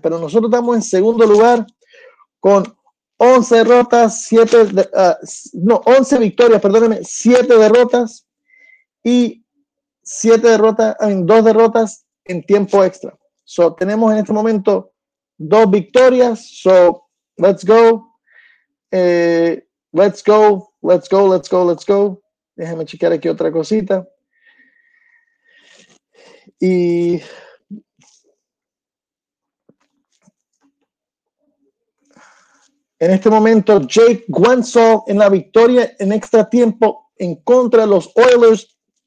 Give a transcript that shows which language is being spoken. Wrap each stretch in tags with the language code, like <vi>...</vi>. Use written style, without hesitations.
<es>Pero nosotros estamos en segundo lugar con 11 derrotas, 11 victorias, perdóneme, 7 derrotas y 7 derrotas, en 2 derrotas en tiempo extra. So, tenemos en este momento 2 victorias.</es> <en>So, let's go. Let's go, let's go, let's go, let's go.</en> <es>Déjame chequear aquí otra cosita. Y en este momento, Jake Guentzel en la victoria en extra tiempo en contra de los Oilers.</es>